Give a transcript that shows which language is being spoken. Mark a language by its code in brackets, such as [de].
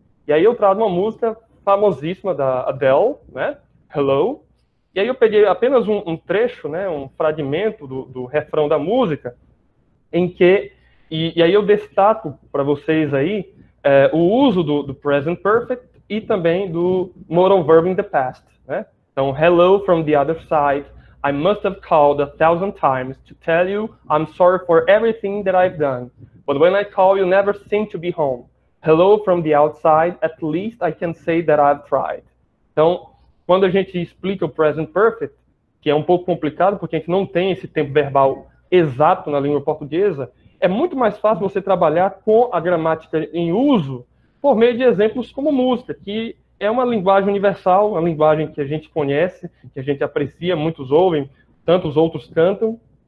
[pt] E aí eu trago uma música famosíssima da Adele, né? Hello. E aí eu peguei apenas um trecho, né, um fragmento do refrão da música, em que, e aí eu destaco para vocês aí o uso do present perfect e também do [en] modal verb in the past. [pt] Né? [en] Então, hello from the other side, I must have called 1,000 times to tell you I'm sorry for everything that I've done. But when I call, you never seem to be home. Hello from the outside, at least I can say that I've tried. [pt] Então, quando a gente explica o present perfect, que é um pouco complicado, porque a gente não tem esse tempo verbal exato na língua portuguesa, é muito mais fácil você trabalhar com a gramática em uso por meio de exemplos como música, que é uma linguagem universal, uma linguagem que a gente conhece, que a gente aprecia, muitos ouvem, tantos outros cantam.